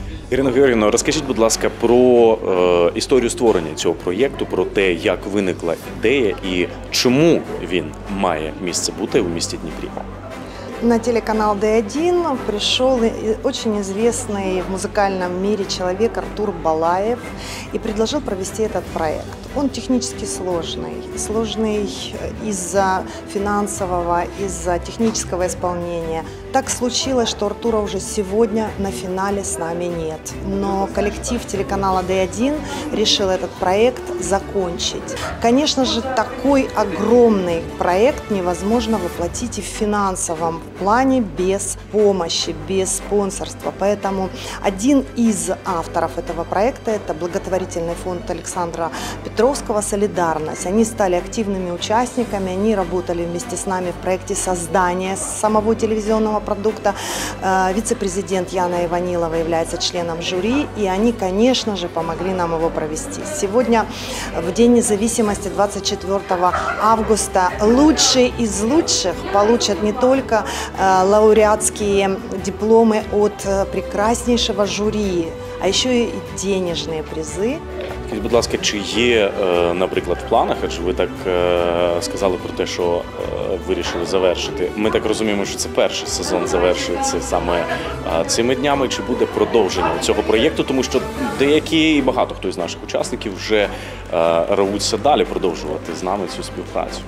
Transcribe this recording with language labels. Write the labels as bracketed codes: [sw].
[uk] Ірино Георгіївно, розкажіть, будь ласка, про історію створення цього проєкту, про те, як виникла ідея і чому він має місце бути у місті Дніпрі. На телеканал «Д1» прийшов дуже відомий в музикальному світі чоловік Артур Балаєв і пропонував провести цей проєкт. [ru] Он технически сложный из-за финансового, из-за технического исполнения. Так случилось, что Артура уже сегодня на финале с нами нет. Но коллектив телеканала «Д1» решил этот проект закончить. Конечно же, такой огромный проект невозможно воплотить и в финансовом плане без помощи, без спонсорства. Поэтому один из авторов этого проекта – это благотворительный фонд Александра Петровича «Солидарность». Они стали активными участниками, они работали вместе с нами в проекте создания самого телевизионного продукта. Вице-президент Яна Иванилова является членом жюри, и они, конечно же, помогли нам его провести. Сегодня, в День независимости 24 августа, лучшие из лучших получат не только лауреатские дипломы от прекраснейшего жюри, а еще и денежные призы. [uk] Будь ласка, чи є, наприклад, в планах, адже ви так сказали про те, що вирішили завершити. Ми так розуміємо, що це перший сезон завершується саме цими днями. Чи буде продовження цього проєкту? Тому що деякі і багато хто із наших учасників вже рвуться далі продовжувати з нами цю співпрацю.